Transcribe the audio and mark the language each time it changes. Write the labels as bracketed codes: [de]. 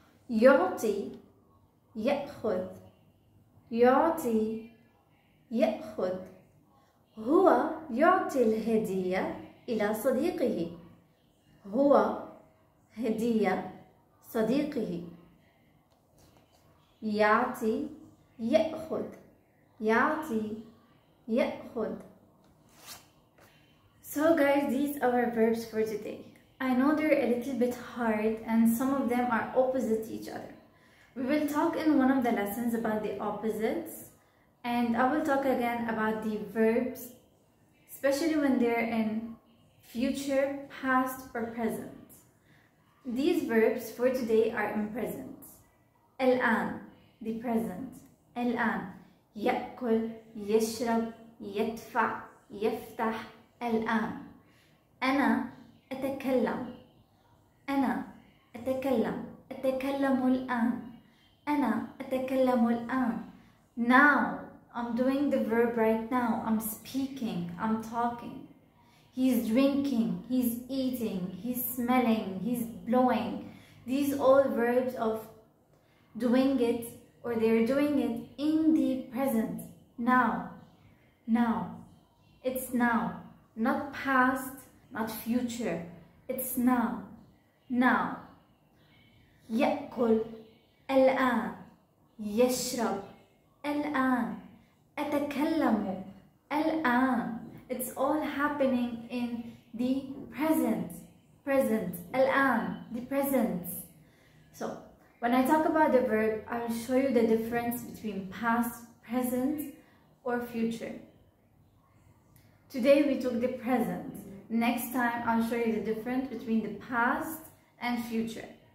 [ar] يعطي يأخذ يعطي يأخذ هو يعطي الهدية إلى صديقه هو هدية صديقه يعطي يأخذ يعطي يأخذ [en] So guys, these are our verbs for today. I know they're a little bit hard and some of them are opposite each other. We will talk in one of the lessons about the opposites. And I will talk again about the verbs, especially when they're in future, past, or present. These verbs for today are in present. الآن, the present. [ar] الآن, يأكل, يشرب, يدفع, يفتح, الآن. أنا أتكلم. أنا أتكلم. أتكلم الآن. أنا أتكلم الآن. [en] Now, I'm doing the verb right now. I'm speaking, I'm talking. He's drinking, he's eating, he's smelling, he's blowing. These all verbs of doing it, or they're doing it in the present. Now, now, it's now, not past, not future, it's now, now. [ar] يأكل الآن, يشرب الآن, أتكلم الآن. [en] It's all happening in the present, present, الآن, the present. So, when I talk about the verb, I'll show you the difference between past, present, or future. Today we took the present. Next time I'll show you the difference between the past and future.